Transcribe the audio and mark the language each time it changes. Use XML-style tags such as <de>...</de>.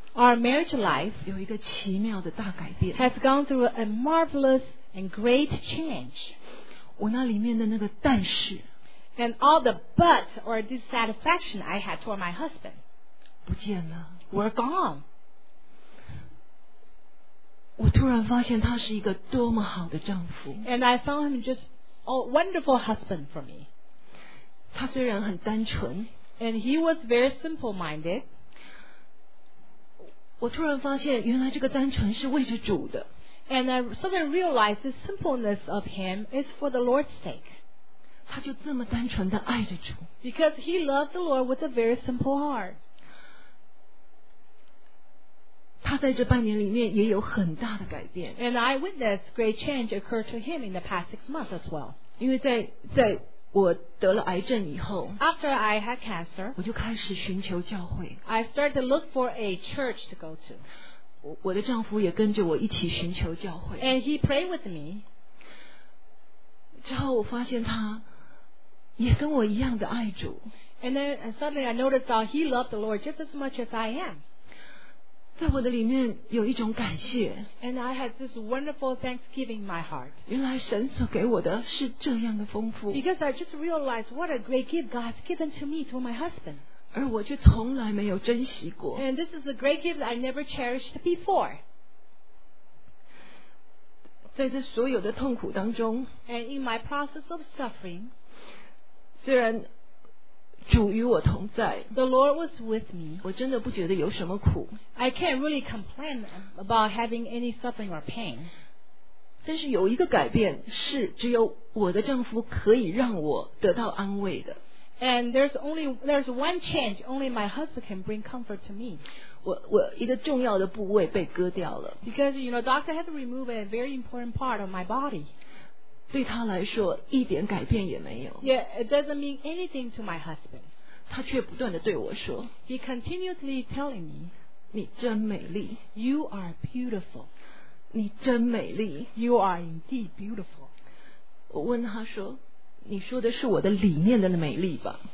<en>our marriage life</en> <zh>有一个奇妙的大改变</zh> <en>has gone through a marvelous and great change</en> <zh>我那里面的那个但是</zh> <en>And all the but or dissatisfaction I had toward my husband</en> <zh>不见了</zh> <en>were gone.</en> <zh>我突然发现他是一个多么好的丈夫</zh> <en>And I found him just a wonderful husband for me.</en> <zh>他虽然很单纯</zh> <en>And he was very simple-minded.</en> <zh>我突然发现原来这个单纯是为着主的</zh> <en>And I suddenly realized the simpleness of him is for the Lord's sake.</en> <zh>他就这么单纯地爱着主</zh> <en>Because he loved the Lord with a very simple heart</en> <zh>他在这半年里面也有很大的改变</zh> <en>And I witnessed great change occur to him in the past 6 months as well</en> <zh>因为在我得了癌症以后</zh> <en>After I had cancer</en> <zh>我就开始寻求教会</zh> <en>I started to look for a church to go to</en> <zh>我的丈夫也跟着我一起寻求教会</zh> <en>And he prayed with me</en> <zh>之后我发现他也跟我一样的爱主</zh> <en>And then suddenly I noticed that he loved the Lord just as much as I am</en> <zh>在我的里面有一种感谢</zh> <en>And I had this wonderful thanksgiving in my heart</en> <zh>原来神所给我的是这样的丰富</zh> <en>Because I just realized what a great gift God has given to me to my husband</en> <zh>而我却从来没有珍惜过。</zh> <en>And this is a great gift I never cherished before.</en> <zh>在这所有的痛苦当中</zh> <en>，And in my process of suffering，</en> <zh>虽然主与我同在</zh> <en>，The Lord was with me，</en> <zh>我真的不觉得有什么苦。</zh> <en>I can't really complain about having any suffering or pain。</en> <zh>但是有一个改变是只有我的丈夫可以让我得到安慰的。</zh> <en>And there's one change. Only my husband can bring comfort to me.</en> <zh>我一个重要的部位被割掉了。</zh> <en>Because you know, doctor had to remove a very important part of my body.</en> <zh>对他来说，一点改变也没有。</zh> <en>Yeah, it doesn't mean anything to my husband.</en> <zh>他却不断地对我说。</zh> <en>He continuously telling me,</en> <zh>你真美丽。</zh> <en>You are beautiful.</en> <zh>你真美丽。</zh> <en>You are indeed beautiful.</en> <zh>我问他说。你说的是我的里面的美丽吧</zh>